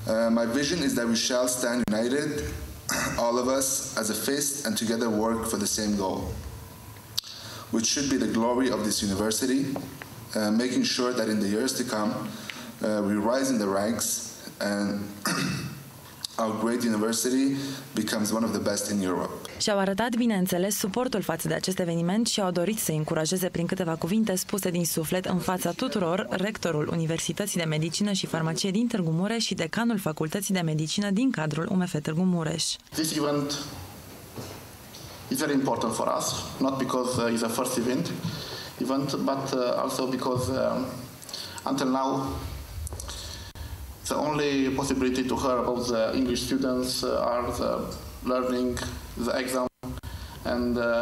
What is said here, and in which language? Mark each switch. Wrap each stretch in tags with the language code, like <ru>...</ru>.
<en>My vision is that we shall stand united, all of us, as a fist and together work for the same goal, which should be the glory of this university, making sure that in the years to come, we rise in the ranks and our great university becomes one of the best in Europe.</en> <ro>Și-au arătat, bineînțeles, suportul față de acest eveniment și au dorit să-i încurajeze prin câteva cuvinte spuse din suflet în fața tuturor rectorul Universității de Medicină și Farmacie din Târgu Mureș și decanul Facultății de Medicină din cadrul UMF Târgu Mureș.</ro> <en>This event is very important for us, not because it's a first event, but also because until now the only possibility to hear about the English students are the learning the exam and</en>